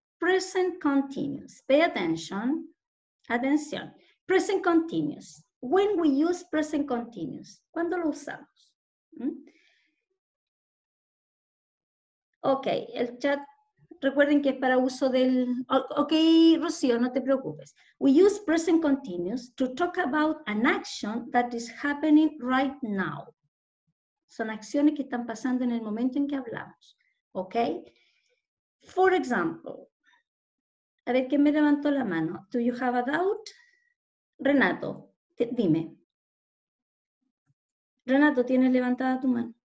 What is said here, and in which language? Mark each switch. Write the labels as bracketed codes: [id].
[en] Present continuous. Pay attention. Atención. Present continuous. When we use present continuous. [es] ¿Cuándo lo usamos? Ok, el chat, recuerden que es para uso del... Ok, Rocío, no te preocupes. [en] We use present continuous to talk about an action that is happening right now. [es] Son acciones que están pasando en el momento en que hablamos. Ok. [en] For example, [es] a ver, ¿quién me levantó la mano? [en] Do you have a doubt? Renato, dime. [es] Renato, ¿tienes levantada tu mano?